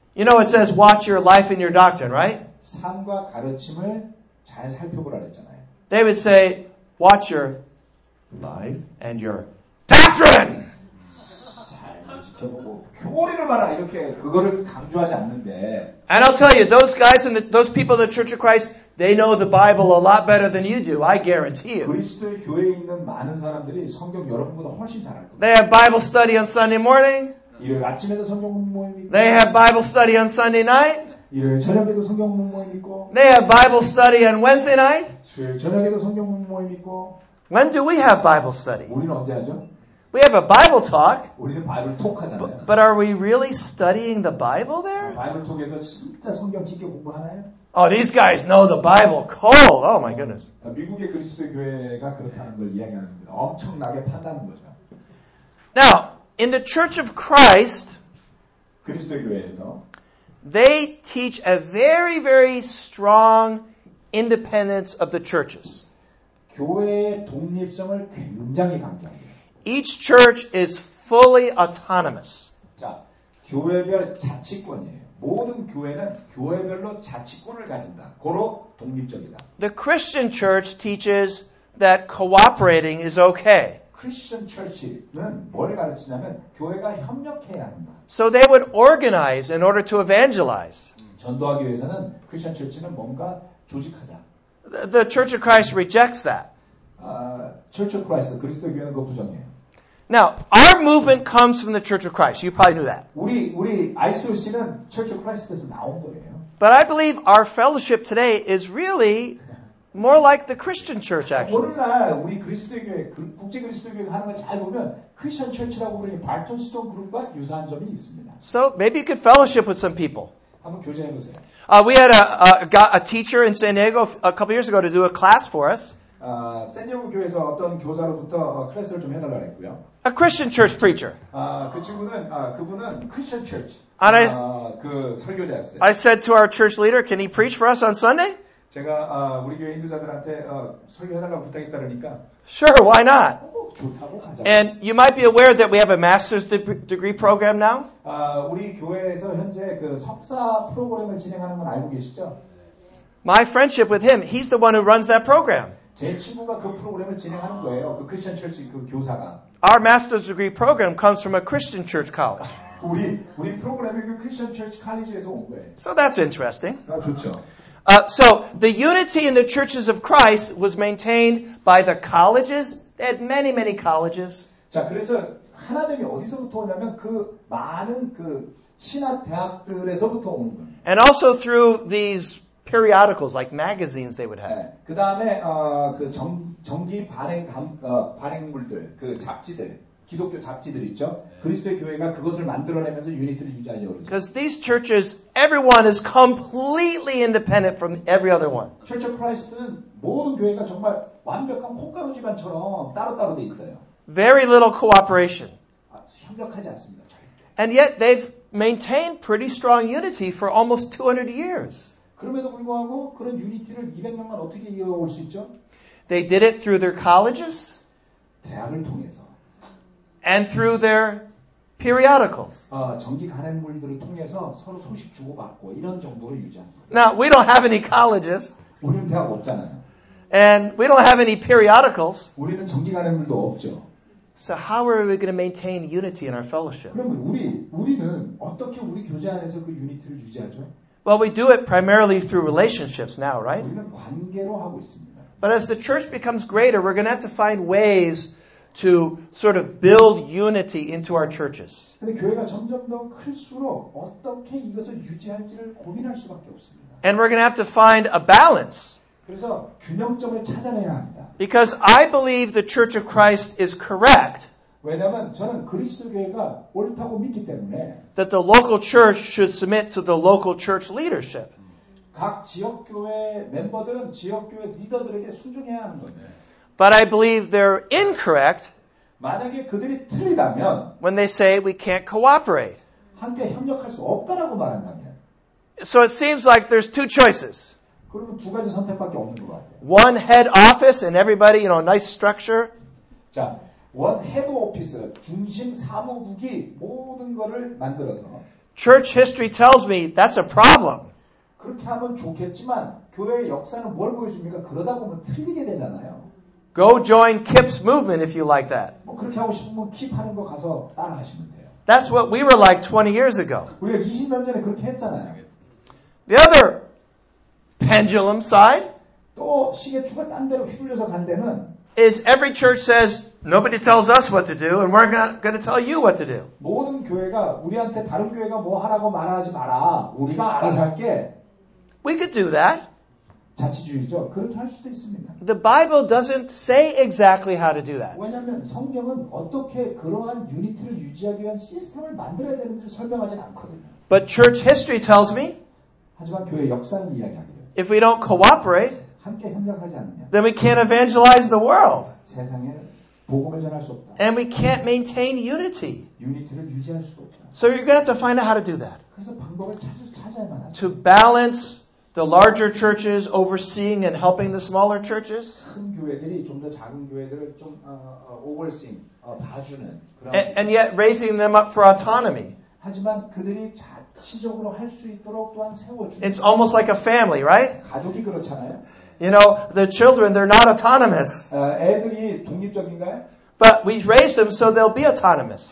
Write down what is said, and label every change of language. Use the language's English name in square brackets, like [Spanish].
[English] You know it says watch your life and your doctrine, right? [Korean] 삶과 가르침을 잘 살펴보라 했잖아요. [English] They would say watch your life and your doctrine. [Korean] 삶을 지켜보라. 맞춰보고 교리를 봐라 이렇게 그거를 강조하지 않는데. [English] And I'll tell you, those guys and those people in the Church of Christ, they know the Bible a lot better than you do. I guarantee you. [Korean] 그리스도 교회에 있는 많은 사람들이 성경 여러분보다 훨씬 잘 알고. [English] They have Bible study on Sunday morning. [Korean] 일요일 아침에도 성경 공부해 있고. [English] They have Bible study on Sunday night. [Korean] 일요일 저녁에도 성경 공부해 있고. [English] They have Bible study on Wednesday night. [Korean] 주일 저녁에도 성경 공부해 있고. [English] When do we have Bible study? [Korean] 우리는 언제 하죠? [English] We have a Bible talk. [Korean] 우리는 바이블 톡하잖아요. [English] But are we really studying the Bible there? [Korean] 바이블 톡에서 진짜 성경 깊게 공부하나요? [English] Oh, these guys know the Bible cold. Oh my goodness. [Korean] 미국의 그리스도 교회가 그렇다는 걸 이야기하는 거죠. 엄청나게 판다는 거죠. [English] Now, in the Church of Christ, [Korean] 그리스도 교회에서, [English] they teach a very, very strong independence of the churches. [Korean] 교회의 독립성을 굉장히 강조합니다. [English] Each church is fully autonomous. [Korean] 자, 교회별 자치권이에요. 모든 교회는 교회별로 자치권을 가진다. 고로 독립적이다. [English] The Christian church teaches that cooperating is okay. [Korean] Christian church는 뭘 가르치냐면 교회가 협력해야 한다. [English] So they would organize in order to evangelize. [Korean] 전도하기 위해서는 Christian church는 뭔가 조직하자. [English] The Church of Christ rejects that. [Korean] Church of Christ, 그리스도 교회는 그거 부정해요. [English] Now, our movement comes from the Church of Christ. You probably knew that. [Korean] 우리 ICOC는 Church of Christ에서 나온 거예요. [English] But I believe our fellowship today is really more like the Christian Church, actually. [Korean] 오늘날 우리 그리스도 교회, 국제 그리스도 교회 하는 걸 잘 보면 Christian Church라고 그러는 발톤스톤 그룹과 유사한 점이 있습니다. [English] So maybe you could fellowship with some people. [Korean] 한번 교제해 보세요. [English] We had a teacher in San Diego a couple years ago to do a class for us. [Korean] 샌디에고 교회에서 어떤 교사로부터 클래스를 좀 해달라 했고요. [English] A Christian church preacher. [Korean] 그 친구는 그분은 Christian church. 그 설교자였어요. [English] I said to our church leader, can he preach for us on Sunday? [Korean] 제가 우리 교회 인도자들한테 설교해달라고 부탁했다니까. [English] Sure, why not? [Korean] 좋다고 하자. [English] And you might be aware that we have a master's degree program now. [Korean] 우리 교회에서 현재 그 석사 프로그램을 진행하는 건 알고 계시죠? [English] My friendship with him, he's the one who runs that program. [Korean] 제 친구가 그 프로그램을 진행하는 거예요. 그 크리스천 철지 그 교사가. [English] Our master's degree program comes from a Christian church college. [Korean] 우리 프로그램이 그 크리스천 철지 칼리지에서 온 거예요. [English] So that's interesting. [Korean] 아, 좋죠. [English] So the unity in the churches of Christ was maintained by the colleges. They had many, many colleges. [Korean] 자, 그래서 하나님이 어디서부터 오냐면 그 많은 그 신학 대학들에서부터 온 거예요. [English] And also through these periodicals like magazines they would have. [Korean] 네, 그다음에 그 정기 발행 발행물들, 그 잡지들, 기독교 잡지들 있죠? 그리스도의 교회가 그것을 만들어 내면서 유니티를 유지하려고 그러죠. [English] Because these churches everyone is completely independent from every other one. [Korean] Church of Christ는 모든 교회가 정말 완벽한 콩가루 집안처럼 따로따로 돼 있어요. [English] Very little cooperation. [Korean] 협력하지 않습니다. 절대. [English] And yet they've maintained pretty strong unity for almost 200 years. [Korean] 그럼에도 불구하고 그런 유니티를 200년간 어떻게 이어올 수 있죠? [English] They did it through their colleges. [Korean] 대학을 통해서. [English] And through their periodicals. [Korean] 정기 간행물들을 통해서 서로 소식 주고받고 이런 정도로 유지한 거예요. [English] Now, we don't have any colleges. [Korean] 우리는 대학 없잖아요. [English] And we don't have any periodicals. [Korean] 우리는 정기 간행물도 없죠. [English] So how are we going to maintain unity in our fellowship? [Korean] 그러면 우리는 어떻게 우리 교제 안에서 그 유니티를 유지하죠? [English] Well, we do it primarily through relationships now, right? [Korean] 우리는 관계로 하고 있습니다. [English] But as the church becomes greater, we're going to have to find ways to sort of build unity into our churches. [Korean] 근데 교회가 점점 더 클수록 어떻게 이것을 유지할지를 고민할 수밖에 없습니다. [English] And we're going to have to find a balance. [Korean] 그래서 균형점을 찾아내야 합니다. [English] Because I believe the Church of Christ is correct. [Korean] 왜냐면 저는 그리스도 교회가 옳다고 믿기 때문에 [English] that the local church should submit to the local church leadership. [Korean] 각 지역 교회 멤버들은 지역 교회 리더들에게 순종해야 하는 거예요. [English] But I believe they're incorrect. [Korean] 만약에 그들이 틀리다면 [English] when they say we can't cooperate. [Korean] 함께 협력할 수 없다라고 말한다면 [English] so it seems like there's two choices. [Korean] 그러면 두 가지 선택밖에 없는 것 같아요. [English] One head office and everybody, you know, nice structure. [Korean] 자, 원 헤드 오피스, 중심 사무국이 모든 것을 만들어서. [English] Church history tells me that's a problem. [Korean] 그렇게 하면 좋겠지만 교회의 역사는 뭘 보여줍니까? 그러다 보면 틀리게 되잖아요. [English] Go join KIPP's movement if you like that. [Korean] 뭐 그렇게 하고 싶으면 KIPP 하는 거 가서 따라하시면 돼요. [English] That's what we were like 20 years ago. [Korean] 우리가 20년 전에 그렇게 했잖아요. [English] The other pendulum side [Korean] 또 시계추가 딴 데로 휘둘려서 간 데는 [English] is every church says nobody tells us what to do and we're not going to tell you what to do. [Korean] 모든 교회가 우리한테 다른 교회가 뭐 하라고 말하지 마라. 우리가 알아서 할게. [English] We could do that. [Korean] 자치주의죠. 그렇게 할 수도 있습니다. [English] The Bible doesn't say exactly how to do that. [Korean] 왜냐하면 성경은 어떻게 그러한 유니티를 유지하기 위한 시스템을 만들어야 되는지 설명하지 않거든요. [English] But church history tells me. [Korean] 하지만 교회 역사는 이야기합니다. [English] If we don't cooperate, [Korean] 함께 협력하지 않으면, [English] then we can't evangelize the world. [Korean] 세상에 복음을 전할 수 없다. [English] And we can't maintain unity. [Korean] 유니티를 유지할 수 없다. [English] So you're going to have to find out how to do that. [Korean] 그래서 방법을 찾아야만 하죠. [English] To balance. The larger churches overseeing and helping the smaller churches. [Korean] 큰 교회들이 좀 더 작은 교회들을 좀 overseeing 봐주는. [English] And yet raising them up for autonomy. [Korean] 하지만 그들이 자치적으로 할 수 있도록 또한 세워주. [English] It's almost like a family, right? [Korean] 가족이 그렇잖아요. [English] You know, the children, they're not autonomous. [Korean] 애들이 독립적인가요? [English] But we raise them so they'll be autonomous.